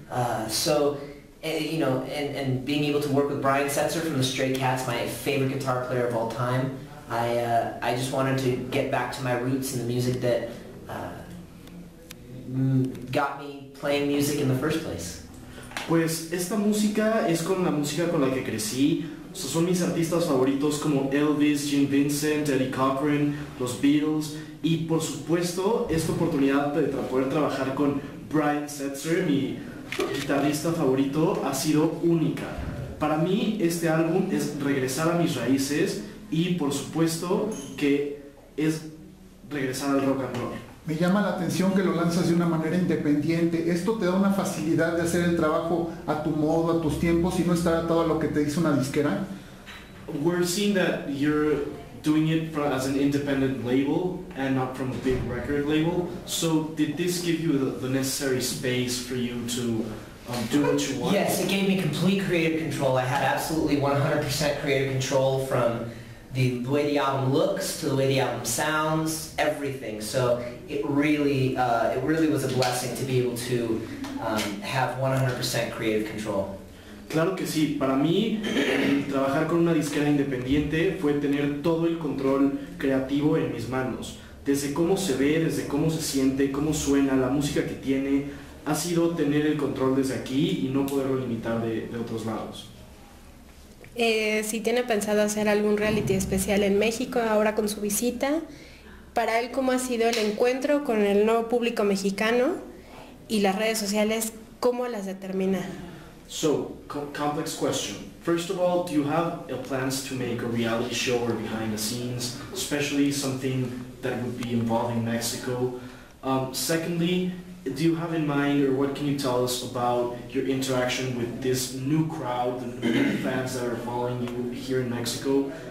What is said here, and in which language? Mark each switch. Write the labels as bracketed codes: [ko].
[en] And being able to work with Brian Setzer from the Stray Cats, my favorite guitar player of all time, I just wanted to get back to my roots and the music that got me playing music in the first place. [es] Pues esta música es con la música con la que crecí. So, son mis artistas favoritos como Elvis, Gene Vincent, Eddie Cochran, los Beatles. Y por supuesto, esta oportunidad de poder trabajar con Brian Setzer, mi guitarrista favorito, ha sido única. Para mí, este álbum es regresar a mis raíces y por supuesto que es regresar al rock and roll. Me llama la atención que lo lanzas de una manera independiente. Esto te da una facilidad de hacer el trabajo a tu modo, a tus tiempos, y no estar atado a lo que te dice una disquera. [en] We're seeing that you're doing it as an independent label and not from a big record label. So did this give you the necessary space for you to do what you want? Yes, it gave me complete creative control. I had absolutely 100% creative control from the way the album looks to the way the album sounds, everything. So it really was a blessing to be able to have 100% creative control. [es] Claro que sí. Para mí, trabajar con una disquera independiente fue tener todo el control creativo en mis manos. Desde cómo se ve, desde cómo se siente, cómo suena, la música que tiene, ha sido tener el control desde aquí y no poderlo limitar de otros lados. Si tiene pensado hacer algún reality especial en México ahora con su visita, para él, ¿cómo ha sido el encuentro con el nuevo público mexicano y las redes sociales, cómo las determina? [en] So, complex question. First of all, do you have plans to make a reality show or behind the scenes, especially something that would be involving Mexico? Secondly, do you have in mind, or what can you tell us about your interaction with this new crowd, the new fans that are following you here in Mexico?